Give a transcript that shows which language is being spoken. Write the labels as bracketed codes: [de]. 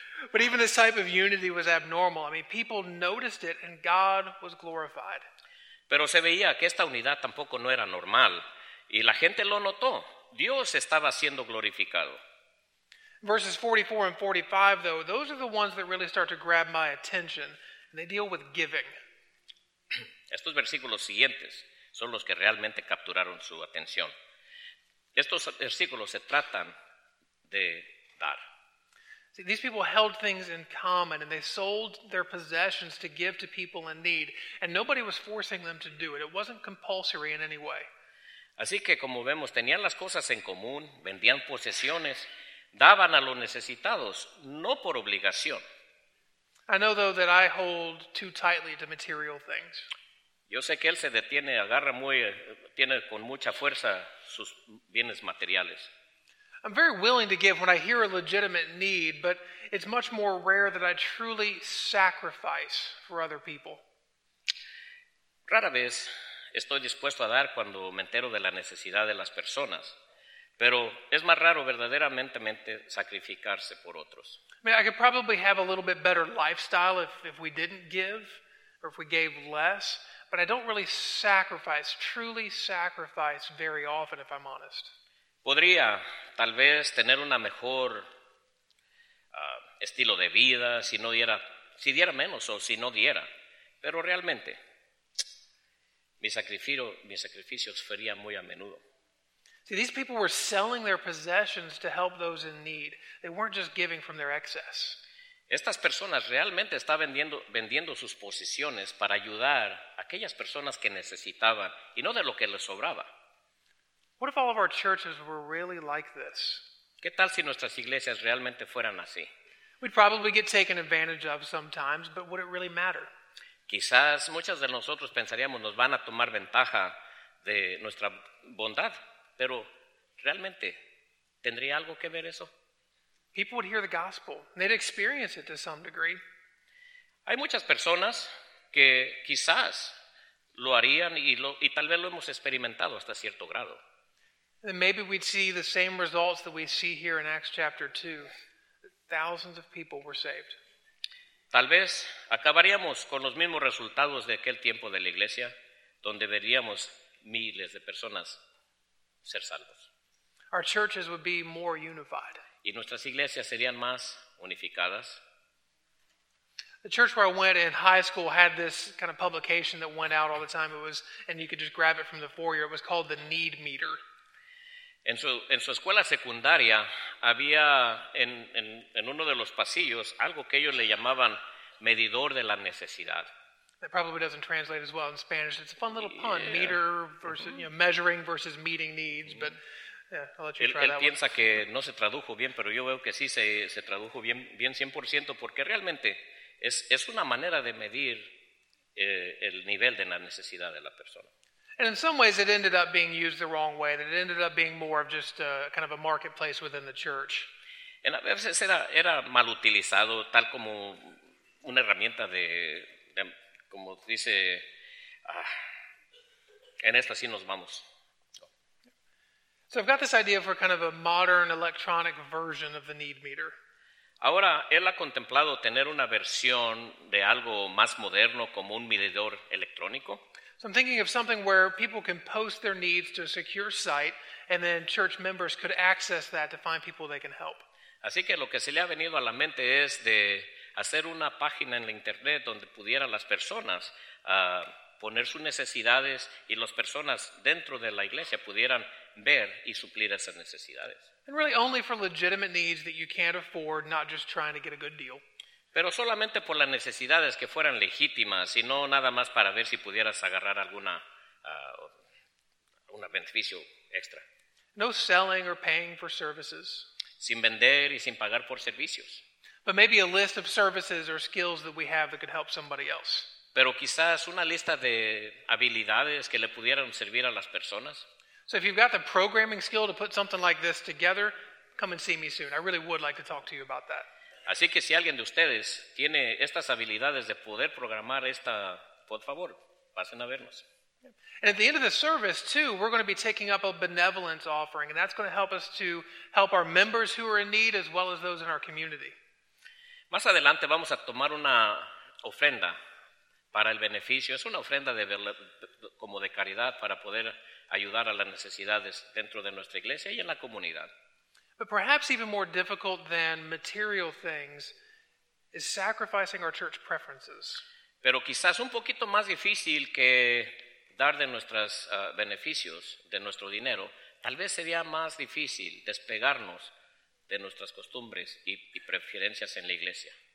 [en] But even this type of unity was abnormal. I mean, people noticed it and God was glorified. [es] Pero se veía que esta unidad tampoco no era normal. Y la gente lo notó. Dios estaba siendo glorificado. [en] Verses 44 and 45, though, those are the ones that really start to grab my attention. And they deal with giving. [es] Estos versículos siguientes son los que realmente capturaron su atención. Estos versículos se tratan de dar. [en] See, these people held things in common and they sold their possessions to give to people in need. And nobody was forcing them to do it. It wasn't compulsory in any way. [es] Así que como vemos, tenían las cosas en común, vendían posesiones, daban a los necesitados, no por obligación. [en] I know, though, that I hold too tightly to material things. [es] Yo sé que él se detiene, agarra muy, tiene con mucha fuerza sus bienes materiales. [en] I'm very willing to give when I hear a legitimate need, but it's much more rare that I truly sacrifice for other people. [es] Rara vez estoy dispuesto a dar cuando me entero de la necesidad de las personas, pero es más raro verdaderamente sacrificarse por otros. [en] I mean, I could probably have a little bit better lifestyle if we didn't give, or if we gave less, but I don't really sacrifice, truly sacrifice very often, if I'm honest. [es] Podría, tal vez, tener una mejor estilo de vida si no diera, si diera menos o si no diera. Pero realmente, mi sacrificio sería muy a menudo. [en] See, these people were selling their possessions to help those in need. They weren't just giving from their excess. [es] Estas personas realmente están vendiendo sus posesiones para ayudar a aquellas personas que necesitaban y no de lo que les sobraba. [en] What if all of our churches were really like this? [es] ¿Qué tal si nuestras iglesias realmente fueran así? [en] We'd probably get taken advantage of sometimes, but would it really matter? [es] Quizás muchas de nosotros pensaríamos nos van a tomar ventaja de nuestra bondad, pero ¿realmente tendría algo que ver eso? [en] People would hear the gospel, and they'd experience it to some degree. [es] Hay muchas personas que quizás lo harían y tal vez lo hemos experimentado hasta cierto grado. [en] Then maybe we'd see the same results that we see here in Acts chapter 2. Thousands of people were saved. [es] Tal vez acabaríamos con los mismos resultados de aquel tiempo de la iglesia, donde veríamos miles de personas ser salvos. [en] Our churches would be more unified. [es] Y nuestras iglesias serían más unificadas. [en] The church where I went in high school had this kind of publication that went out all the time. And you could just grab it from the foyer. It was called the Need Meter. [es] En su escuela secundaria había en uno de los pasillos algo que ellos le llamaban medidor de la necesidad. [en] That probably doesn't translate as well in Spanish. It's a fun little pun, yeah. Meter versus, mm-hmm. You know, measuring versus meeting needs, mm-hmm. But yeah, I'll let you try that. [es] Él piensa [en] one. [es] Que no se tradujo bien, pero yo veo que sí se tradujo bien 100% porque realmente es una manera de medir el nivel de la necesidad de la persona. [en] And in some ways, it ended up being used the wrong way. That it ended up being more of just a, kind of a marketplace within the church. [es] A veces era mal utilizado, tal como una herramienta de como dice, en esta sí nos vamos. [en] So I've got this idea for kind of a modern electronic version of the need meter. [es] Ahora, él ha contemplado tener una versión de algo más moderno como un medidor electrónico. [en] So I'm thinking of something where people can post their needs to a secure site and then church members could access that to find people they can help. [es] Así que lo que se le ha venido a la mente es de hacer una página en la internet donde pudieran las personas poner sus necesidades y las personas dentro de la iglesia pudieran ver y suplir esas necesidades. [en] And really only for legitimate needs that you can't afford, not just trying to get a good deal. [es] Pero solamente por las necesidades que fueran legítimas y no nada más para ver si pudieras agarrar alguna un beneficio extra. [en] No selling or paying for services. [es] Sin vender y sin pagar por servicios. [en] But maybe a list of services or skills that we have that could help somebody else. [es] Pero quizás una lista de habilidades que le pudieran servir a las personas. [en] So if you've got the programming skill to put something like this together, come and see me soon. I really would like to talk to you about that. [es] Así que si alguien de ustedes tiene estas habilidades de poder programar esta, por favor, pasen a vernos. [en] And at the end of the service, too, we're going to be taking up a benevolence offering, and that's going to help us to help our members who are in need as well as those in our community. [es] Más adelante vamos a tomar una ofrenda para el beneficio. Es una ofrenda como de caridad para poder ayudar a las necesidades dentro de nuestra iglesia y en la comunidad. [en] But perhaps even more difficult than material things is sacrificing our church preferences. [es] Pero quizás un poquito más difícil que dar de nuestros beneficios, de nuestro dinero, tal vez sería más difícil despegarnos de nuestras costumbres y preferencias en la iglesia.